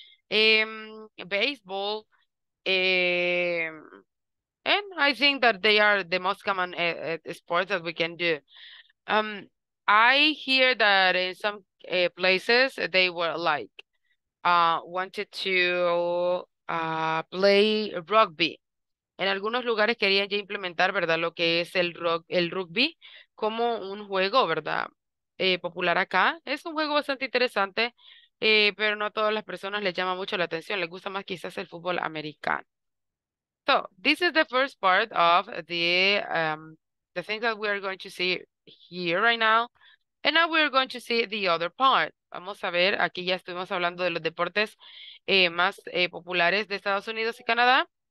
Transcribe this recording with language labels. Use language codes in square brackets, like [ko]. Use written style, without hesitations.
[en] Baseball. And I think that they are the most common sports that we can do. I hear that in some places they were like wanted to play rugby. [es] En algunos lugares querían ya implementar, ¿verdad? Lo que es el rugby como un juego, ¿verdad? Popular acá. Es un juego bastante interesante, pero no a todas las personas les llama mucho la atención. Les gusta más quizás el fútbol americano. [en] So, this is the first part of the thing that we are going to see here right now. And now we are going to see the other part. [es] Vamos a ver, aquí ya estuvimos hablando de los deportes más populares de Estados Unidos y Canadá.